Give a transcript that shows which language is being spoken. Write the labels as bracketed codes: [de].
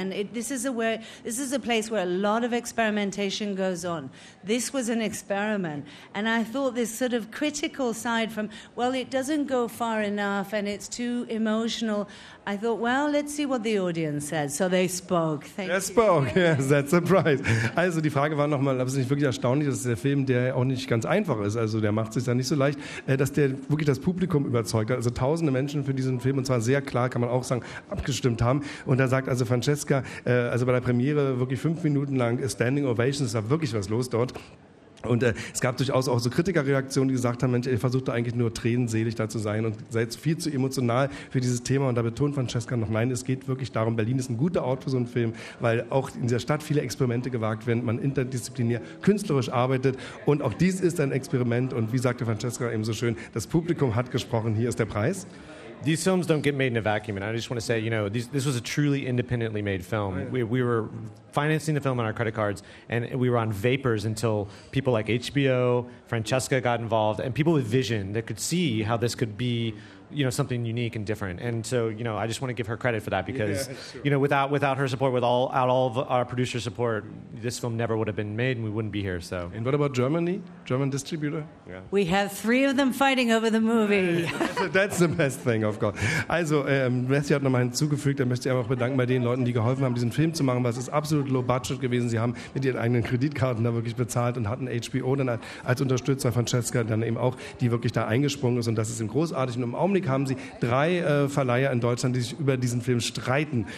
[en] And this is a place where a lot of experimentation goes on. This was an experiment. And I thought this sort of critical side from, well, it doesn't go far enough and it's too emotional. I thought, well, let's see what the audience said. So they spoke. Yes, that's a prize. [de] Also die Frage war nochmal, ob es nicht wirklich erstaunlich ist, dass der Film, der auch nicht ganz einfach ist, also der macht sich da nicht so leicht, dass der wirklich das Publikum überzeugt hat. Also tausende Menschen für diesen Film, und zwar sehr klar, kann man auch sagen, abgestimmt haben. Und da sagt also Francesca, also bei der Premiere wirklich 5 Minuten lang Standing Ovations, ist da wirklich was los dort. Und es gab durchaus auch so Kritikerreaktionen, die gesagt haben, Mensch, ihr versucht da eigentlich nur tränenselig da zu sein und seid viel zu emotional für dieses Thema. Und da betont Francesca noch, nein, es geht wirklich darum, Berlin ist ein guter Ort für so einen Film, weil auch in dieser Stadt viele Experimente gewagt werden, man interdisziplinär künstlerisch arbeitet. Und auch dies ist ein Experiment. Und wie sagte Francesca eben so schön, das Publikum hat gesprochen, hier ist der Preis. [en] these films don't get made in a vacuum. And I just want to say, you know, this was a truly independently made film. Oh, yeah. We were financing the film on our credit cards, and we were on vapors until people like HBO, Francesca got involved, and people with vision that could see how this could be, you know, something unique and different. And so, you know, I just want to give her credit for that because, yeah, sure. You know, without her support, without all of our producer support, this film never would have been made and we wouldn't be here, so. And what about Germany? German distributor? Yeah. We have three of them fighting over the movie. That's the best thing, of course. [de] Also, Matthew hat nochmal hinzugefügt, da möchte ich einfach bedanken bei den Leuten, die geholfen haben, diesen Film zu machen, weil es ist absolut low budget gewesen. Sie haben mit ihren eigenen Kreditkarten da wirklich bezahlt und hatten HBO dann als Unterstützer von Francesca dann eben auch, die wirklich da eingesprungen ist, und das ist im Großartigen. Und im Augenblick haben sie drei Verleiher in Deutschland, die sich über diesen Film streiten.